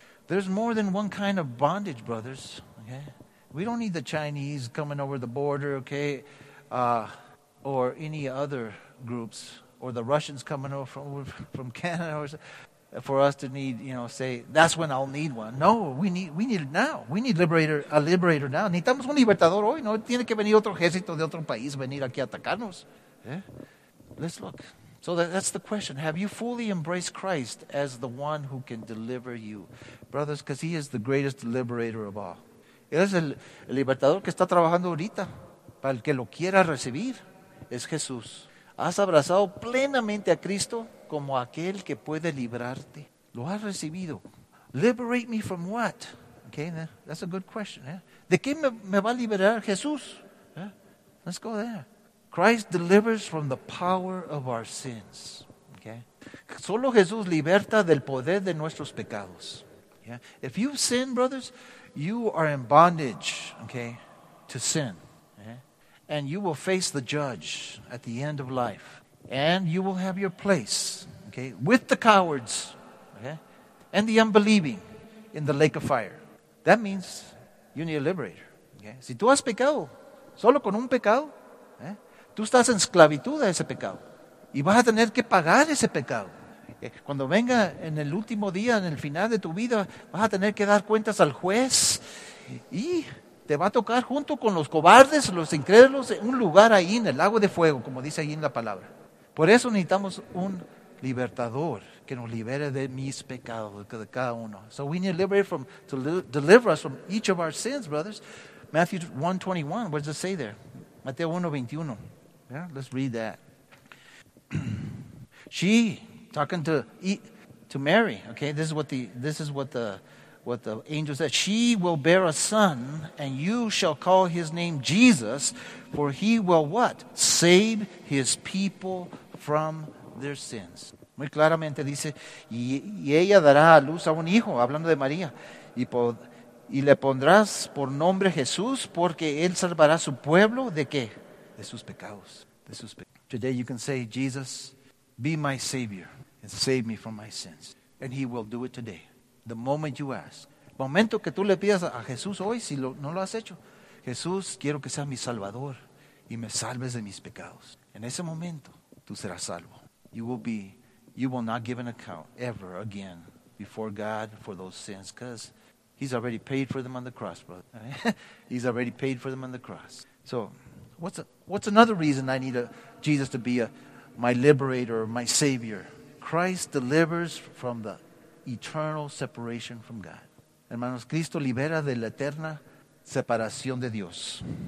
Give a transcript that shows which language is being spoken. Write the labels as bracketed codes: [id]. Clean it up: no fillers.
[en] There's more than one kind of bondage, brothers. Okay. We don't need the Chinese coming over the border, okay, or any other groups, or the Russians coming over from Canada, or for us to need, you know, say, that's when I'll need one. No, we need it now. We need a liberator now. [es] Necesitamos un libertador hoy, no tiene que venir otro ejército de otro país venir aquí a atacarnos. [en] Yeah? Let's look. So that's the question. Have you fully embraced Christ as the one who can deliver you? Brothers, because he is the greatest liberator of all. [es] Él es el libertador que está trabajando ahorita. Para el que lo quiera recibir, es Jesús. ¿Has abrazado plenamente a Cristo como aquel que puede librarte? ¿Lo has recibido? [en] Liberate me from what? Okay, that's a good question. Eh? [es] ¿De qué me va a liberar Jesús? [en] Eh? Let's go there. Christ delivers from the power of our sins. Okay. [es] Solo Jesús liberta del poder de nuestros pecados. [en] Yeah. If you've sinned, brothers, you are in bondage, okay, to sin. Yeah. And you will face the judge at the end of life. And you will have your place, okay, with the cowards, okay, and the unbelieving in the lake of fire. That means you need a liberator. Okay. [es] Si tú has pecado, solo con un pecado, eh, tú estás en esclavitud a ese pecado. Y vas a tener que pagar ese pecado. Cuando venga en el último día, en el final de tu vida, vas a tener que dar cuentas al juez y te va a tocar junto con los cobardes, los incrédulos, en un lugar ahí en el lago de fuego, como dice ahí en la palabra. Por eso necesitamos un libertador que nos libere de mis pecados, de cada uno. [en] So we need a liberator to deliver us from each of our sins, brothers. Matthew 1:21, what does it say there? [es] Mateo 1:21. [en] Yeah, let's read that. She... Talking to Mary, okay. This is what the angel said. She will bear a son, and you shall call his name Jesus, for he will what? Save his people from their sins. [es] Muy claramente dice, y ella dará a luz a un hijo, hablando de María, y le pondrás por nombre Jesús, porque él salvará su pueblo de qué? De sus pecados. De sus pecados. [en] Today you can say, Jesus, be my savior. And save me from my sins. And he will do it today. The moment you ask. [es] Momento que tú le pidas a Jesús hoy, si no lo has hecho. Jesús, quiero que seas mi salvador. Y me salves de mis pecados. En ese momento, tú serás salvo. [en] You will not give an account ever again before God for those sins. Because he's already paid for them on the cross, brother. He's already paid for them on the cross. So, what's another reason I need Jesus to be my liberator, my savior? Christ delivers from the eternal separation from God. [es] Hermanos, Cristo libera de la eterna separación de Dios.